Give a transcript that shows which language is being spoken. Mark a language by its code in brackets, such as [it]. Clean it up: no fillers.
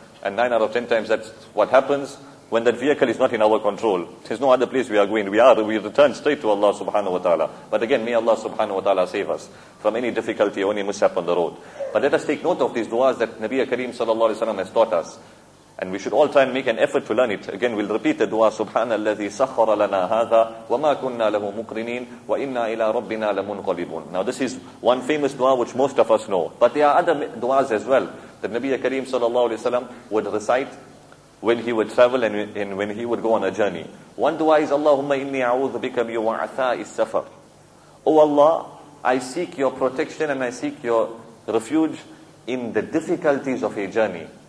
[en] And 9 out of 10 times that's what happens when that vehicle is not in our control. There's no other place we are going. We return straight to Allah subhanahu wa ta'ala. But again, may Allah subhanahu wa ta'ala save us from any difficulty or any mishap on the road. But let us take note of these du'as that Nabi Kareem sallallahu alayhi wa sallam has taught us. And we should all try and make an effort to learn it. Again, we'll repeat the dua, [ar] Subhana الذي سخر لنا هذا وما كنا له مقرنين وإنا إلى ربنا لمنقلبون. [en] Now this is one famous dua which most of us know. But there are other duas as well. The Nabi Kareem sallallahu alayhi wa sallam would recite when he would travel and when he would go on a journey. One dua is, [ar] Allahumma inni a'udhu bika bi wa'atha'i safar. [en] O Allah, I seek your protection and I seek your refuge in the difficulties of a journey.